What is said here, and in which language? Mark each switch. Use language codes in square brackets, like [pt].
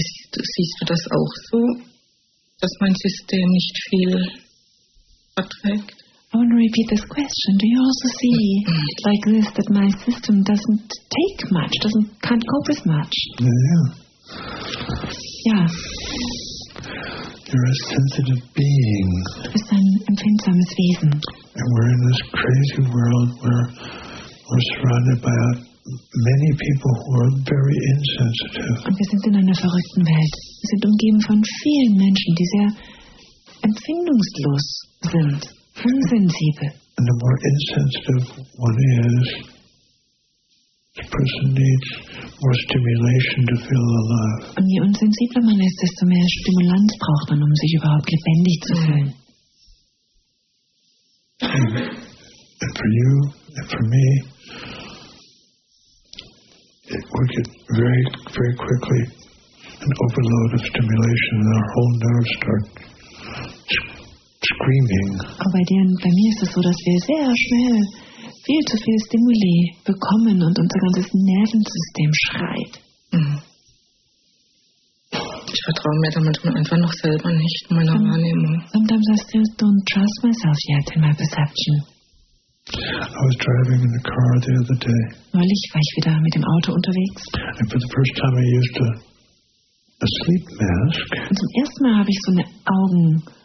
[de] Siehst du das auch so, dass mein System nicht viel... [en] I want to repeat this question. Do you also see it like this, that my system doesn't take much, can't cope with much? Yeah. You're a sensitive being. [de] Du bist ein empfindsames Wesen. [en] And we're in this crazy world where we're surrounded by many people who are very insensitive. [de] Und wir sind in einer verrückten Welt. Wir sind umgeben von vielen Menschen, die sehr empfindungslos sind, unsensibel. [en] And the more insensitive one is, the person needs more stimulation to feel alive. [de] Und je unsensibler man ist, desto mehr Stimulanz braucht man, um sich überhaupt lebendig zu fühlen. [en] And for you and for me, it would get very, very quickly an overload of stimulation, and our whole nerves start. Screaming. [de] Aber bei mir ist es so, dass wir sehr schnell viel zu viel Stimuli bekommen und unser ganzes Nervensystem schreit. Ich vertraue mir da manchmal einfach noch selber nicht in meiner Wahrnehmung. [en] Sometimes I still don't trust myself yet in my perception. I was driving in the car the other day. [de] Neulich war ich wieder mit dem Auto unterwegs. [en] And for the first time I used a sleep mask. [de] Und zum ersten Mal habe ich so eine Augen...